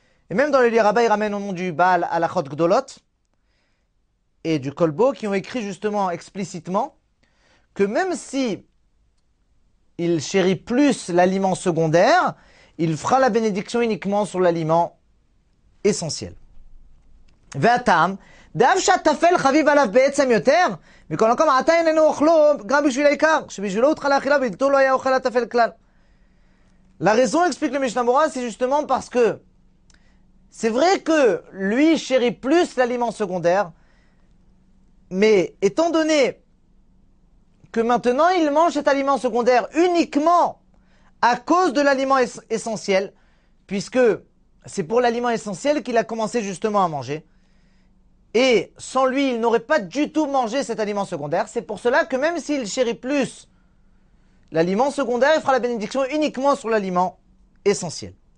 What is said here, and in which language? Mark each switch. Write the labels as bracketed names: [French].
[French] Et même dans le livre rabbi ramène au nom du Baal Alachot Gdolot et du Kolbo qui ont écrit justement explicitement que même si il chérit plus l'aliment secondaire, il fera la bénédiction uniquement sur l'aliment essentiel. [Hebrew] והטעם, דאף שהטפל חביב עליו בעצם יותר, מכל מקום, עתה איננו אוכלו גם בשביל העיקר, שבשבילו הוא תחלה אכילה, בלתור לא היה אוכל הטפל כלל. [French] La raison explique le Mishnah Berurah, c'est justement parce que c'est vrai que lui chérit plus l'aliment secondaire, mais étant donné que maintenant il mange cet aliment secondaire uniquement à cause de l'aliment essentiel, puisque c'est pour l'aliment essentiel qu'il a commencé justement à manger, et sans lui il n'aurait pas du tout mangé cet aliment secondaire, c'est pour cela que même s'il chérit plus l'aliment secondaire, il fera la bénédiction uniquement sur l'aliment essentiel.